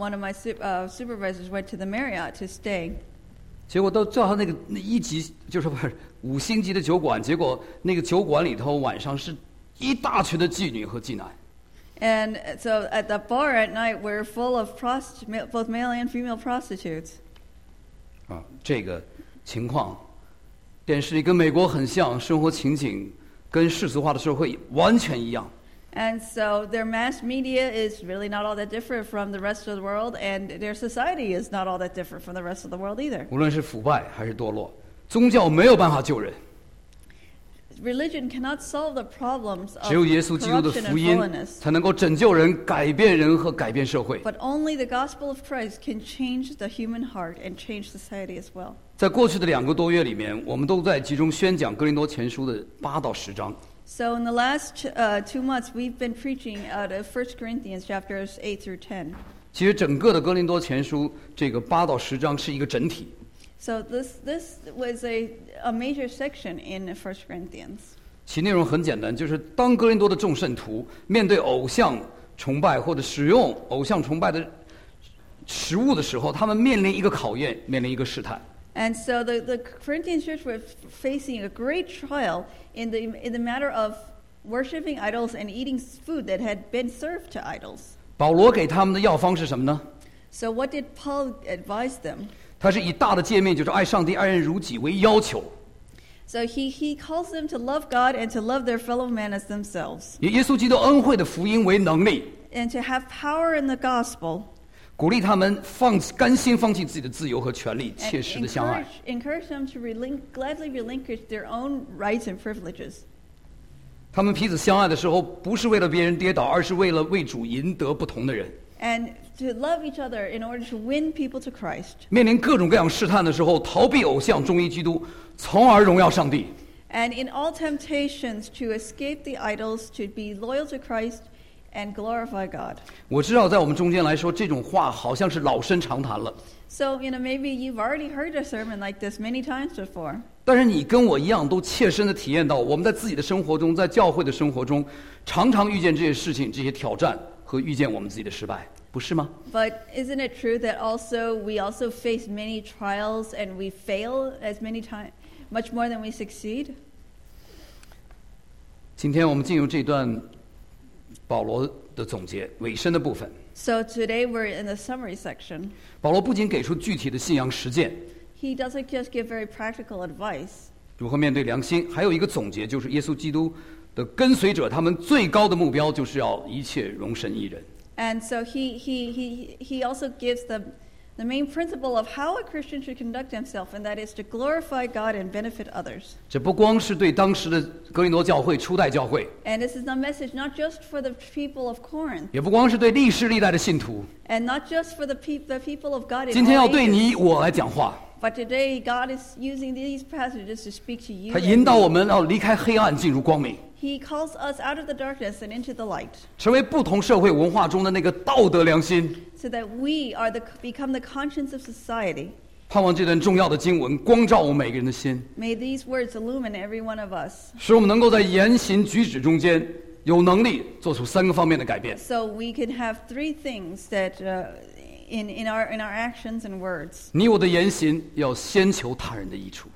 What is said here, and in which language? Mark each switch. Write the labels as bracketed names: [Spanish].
[English] One of my supervisors went to the Marriott to stay. [Chinese] 结果到最后那个那一级就是不是五星级的酒馆，结果那个酒馆里头晚上是一大群的妓女和妓男。 [English] And so at the bar at night, we're full of prostitutes, both male and female prostitutes. [Chinese] 啊，这个情况，电视里跟美国很像，生活情景跟世俗化的社会完全一样。 [English] And so their mass media is really not all that different from the rest of the world, and their society is not all that different from the rest of the world either. [Chinese] 无论是腐败还是堕落，宗教没有办法救人。 [English] Religion cannot solve the problems of [Chinese] 只有耶稣基督的福音才能够拯救人、改变人和改变社会。 [English] But only the gospel of Christ can change the human heart and change society as well. [Chinese] 在过去的两个多月里面，我们都在集中宣讲《哥林多前书》的八到十章。 [English] So in the last 2 months, we've been preaching out of 1 Corinthians chapters 8 through 10. [Chinese] 其实整个的哥林多前书这个八到十章是一个整体。 [English] So this was a major section in 1 Corinthians. [Chinese] 其内容很简单，就是当哥林多的众圣徒面对偶像崇拜或者使用偶像崇拜的食物的时候，他们面临一个考验，面临一个试探。 [English] And so the Corinthian church were facing a great trial in the matter of worshiping idols and eating food that had been served to idols. [Chinese] 保罗给他们的药方是什么呢？ [English] So what did Paul advise them? [Chinese] 他是以大的诫命，就是爱上帝、爱人如己为要求。 [English] So he calls them to love God and to love their fellow man as themselves. [Chinese] 以耶稣基督恩惠的福音为能力。 [English] And to have power in the gospel. [Chinese] 鼓励他们甘心放弃自己的自由和权利，切实的相爱。 [English] Encourage them to gladly relinquish their own rights and privileges. [Chinese] 他们彼此相爱的时候，不是为了别人跌倒，而是为了为主赢得不同的人。 [English] And to love each other in order to win people to Christ. [Chinese] 面临各种各样试探的时候，逃避偶像，忠于基督，从而荣耀上帝。 [English] And in all temptations to escape the idols, to be loyal to Christ. And glorify God. [Chinese] 我知道在我们中间来说，这种话好像是老生常谈了。 [English] So, you know, maybe you've already heard a sermon like this many times before. [Chinese] 但是你跟我一样都切身地体验到，我们在自己的生活中，在教会的生活中，常常遇见这些事情，这些挑战和遇见我们自己的失败，不是吗？ [English] But isn't it true that also we also face many trials and we fail as many times, much more than we succeed? [Chinese] 今天我们进入这段保罗的总结尾声的部分。 [English] So today we're in the summary section. [Chinese] 保罗不仅给出具体的信仰实践， [English] He doesn't just give very practical advice. [Chinese] 如何面对良心，还有一个总结，就是耶稣基督的跟随者他们最高的目标就是要一切荣神一人。 [English] And so he also gives the The main principle of how a Christian should conduct himself, and that is to glorify God and benefit others. [Chinese] 这不光是对当时的哥林多教会、初代教会。 [English] And this is a message not just for the people of Corinth. [Chinese] 也不光是对历世历代的信徒。 [English] And not just for the people of God. [Chinese] 今天要对你我来讲话。 [English] But today, God is using these passages to speak to you. [Chinese] 他引导我们要离开黑暗，进入光明。 [English] He calls us out of the darkness and into the light. [Chinese] 成为不同社会文化中的那个道德良心。 [English] So that we are become the conscience of society. [Chinese] 盼望这段重要的经文光照我们每个人的心。 [English] May these words illumine every one of us. [Chinese] 使我们能够在言行举止中间有能力做出三个方面的改变。 [English] So we can have three things that in our actions and words. [Chinese] 你我的言行要先求他人的益处。